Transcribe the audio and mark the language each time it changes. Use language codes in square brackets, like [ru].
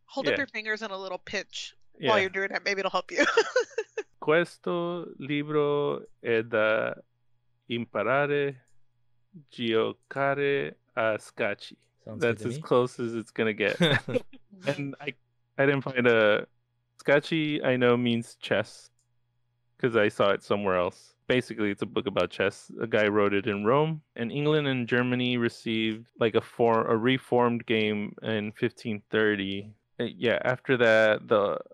[en] Hold up your fingers in a little pinch while you're doing it. Maybe it'll help you. [it] Questo libro è da imparare giocare a scacchi. [en] That's as close as it's going to get. And I didn't find a scacchi. I know means chess because I saw it somewhere else. Basically, it's a book about chess. A guy wrote it in Rome, and England and Germany received like a reformed game in 1530. After that, the